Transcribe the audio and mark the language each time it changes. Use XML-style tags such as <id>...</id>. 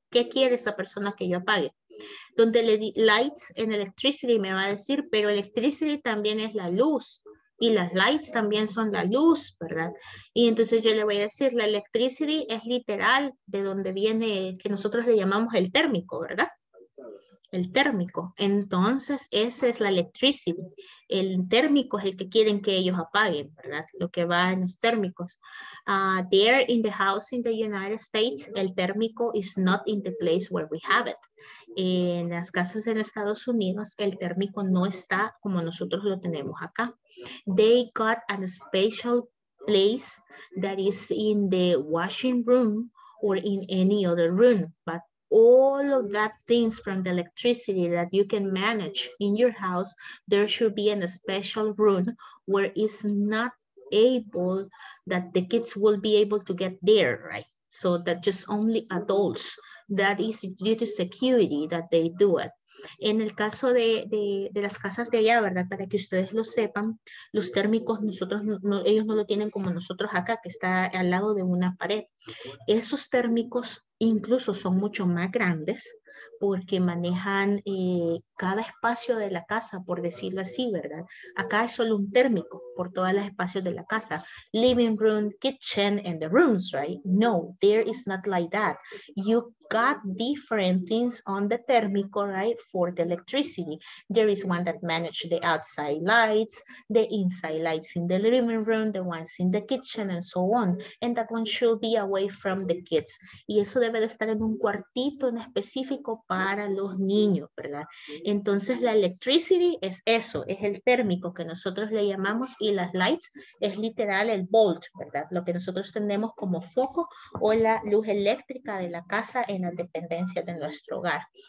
<es>¿Qué quiere esa persona que yo apague? Donde le di lights en electricity, me va a decir, pero electricity también es la luz y las lights también son la luz, ¿verdad? Y entonces yo le voy a decir, la electricity es literal de donde viene, que nosotros le llamamos el térmico, ¿verdad? El térmico. Entonces esa es la electricity. El térmico es el que quieren que ellos apaguen, ¿verdad? Lo que va en los térmicos.</es> <en>There in the house in the United States, el térmico is not in the place where we have it.</en> <es>En las casas en Estados Unidos, el térmico no está como nosotros lo tenemos acá.</es> <en>They got a special place that is in the washing room or in any other room. But all of that things from the electricity that you can manage in your house, there should be a special room where it's not able, that the kids will be able to get there, right? So that just only adults. That is due to security that they do it.</en> <es>En el caso de las casas de allá, ¿verdad? Para que ustedes lo sepan, los térmicos, ellos no lo tienen como nosotros acá, que está al lado de una pared. Esos térmicos incluso son mucho más grandes porque manejan cada espacio de la casa, por decirlo así, ¿verdad? Acá es solo un térmico por todos los espacios de la casa.</es> <en>Living room, kitchen, and the rooms, right? No, there is not like that. You got different things on the térmico, right? For the electricity. There is one that manages the outside lights, the inside lights in the living room, the ones in the kitchen, and so on. And that one should be away from the kids.</en> <es>Y eso debe de estar en un cuartito en específico para los niños, ¿verdad? Entonces, la electricity es eso, es el térmico que nosotros le llamamos, y las lights es literal el bulb, ¿verdad? Lo que nosotros tenemos como foco o la luz eléctrica de la casa en la dependencia de nuestro hogar.</es>